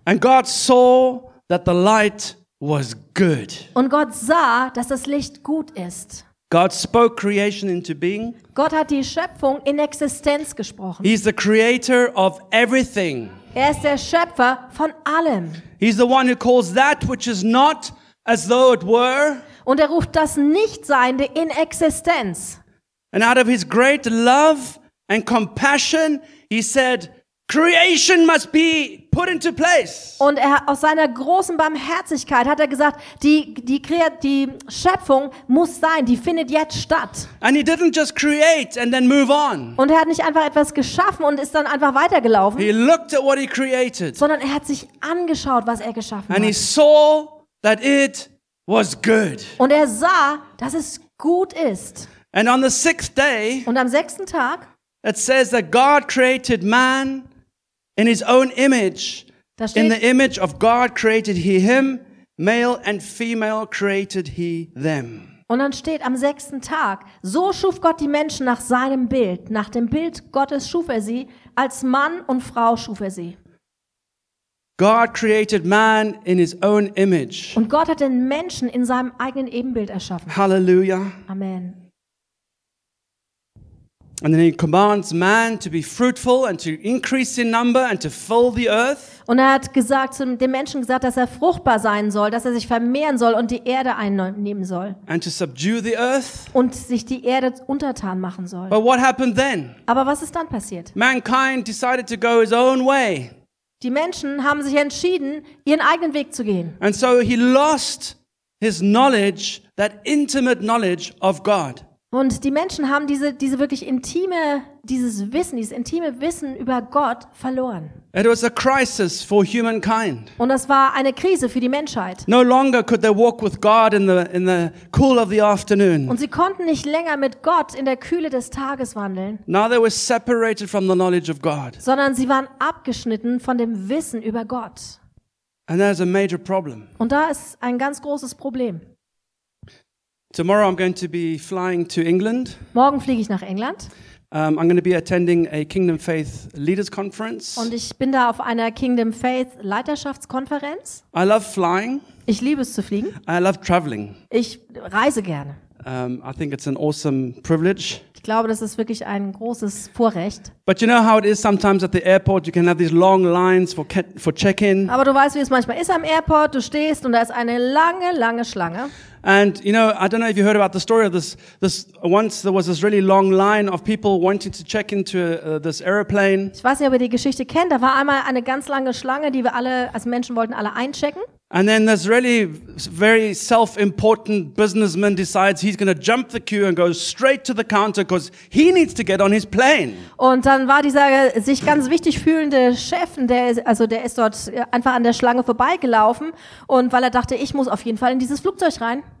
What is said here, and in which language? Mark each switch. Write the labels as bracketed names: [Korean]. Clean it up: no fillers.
[English] And God saw that the light was good. [German] Und Gott sah, dass das Licht gut ist. [English] God spoke creation into being. [German] Gott hat die Schöpfung in Existenz gesprochen. [English] He is the creator of everything. [German] Er ist der Schöpfer von allem. [English] He's the one who calls that which is not as though it were. [German] Und er ruft das Nichtseinende in Existenz. [English] And out of his great love and compassion, he said, creation must be put into place. [German] Und er aus seiner großen Barmherzigkeit hat er gesagt, die Schöpfung muss sein, die findet jetzt statt. [English] And he didn't just create and then move on. [German] Und er hat nicht einfach etwas geschaffen und ist dann einfach weitergelaufen. [English] He looked at what he created. [German] Sondern er hat sich angeschaut, was er geschaffen [English] and And he saw that it was good. [German] Und er sah, dass es gut ist. [English] And on the sixth day, [German] und am sechsten Tag, [English] it says that God created man in his own image. [German] Steht, [English] in the image of God created he him, male and female created he them. [German] Und dann steht am sechsten Tag, so schuf Gott die Menschen nach seinem Bild. Nach dem Bild Gottes schuf er sie, als Mann und Frau schuf er sie. [English] God created man in his own image. [German] Und Gott hat den Menschen in seinem eigenen Ebenbild erschaffen. Halleluja. Amen. [English] And then he commands man to be fruitful and to increase in number and to fill the earth. [German] Und er hat gesagt zu dem Menschen gesagt, dass er fruchtbar sein soll, dass er sich vermehren soll und die Erde einnehmen soll. [English] And to subdue the earth. [German] Und sich die Erde untertan machen soll. [English] But what happened then? [German] Aber was ist dann passiert? [English] Mankind decided to go his own way. [German] Die Menschen haben sich entschieden, ihren eigenen Weg zu gehen. [English] And so he lost his knowledge, that intimate knowledge of God. [German] Und die Menschen haben diese wirklich intime, dieses Wissen, dieses intime Wissen über Gott verloren. [English] It was a crisis for humankind. [German] Und das war eine Krise für die Menschheit. [English] No longer could they walk with God in the cool of the afternoon. [German] Und sie konnten nicht länger mit Gott in der Kühle des Tages wandeln. [English] Now they were separated from the knowledge of God. [German] Sondern sie waren abgeschnitten von dem Wissen über Gott. [English] And there's a major problem. [German] Und da ist ein ganz großes Problem. [English] Tomorrow I'm going to be flying to England. [German] Morgen fliege ich nach England. [English] I'm going to be attending a Kingdom Faith Leaders Conference. [German] Und ich bin da auf einer Kingdom Faith Leiterschaftskonferenz. [English] I love flying. [German] Ich liebe es zu fliegen. [English] I love traveling. [German] Ich reise gerne. [English] I think it's an awesome privilege. [German] Ich glaube, das ist wirklich ein großes Vorrecht. [English] But you know how it is sometimes at the airport, you can have these long lines for check-in. [German] Aber du weißt, wie es manchmal ist am Airport, du stehst und da ist eine lange, lange Schlange. [English] And you know, I don't know if you heard about the story of this once there was this really long line of people wanting to check into this aeroplane. [German] Ich weiß nicht, ob ihr die Geschichte kennt, da war einmal eine ganz lange Schlange, die wir alle als Menschen wollten alle einchecken. [English] And then this really very self-important businessman decides he's going to jump the queue and go straight to the counter because he needs to get on his plane. [German] Und dann war dieser sich ganz wichtig fühlende Chef, der ist dort einfach an der Schlange vorbeigelaufen und weil er dachte, ich muss auf jeden Fall in dieses Flugzeug rein.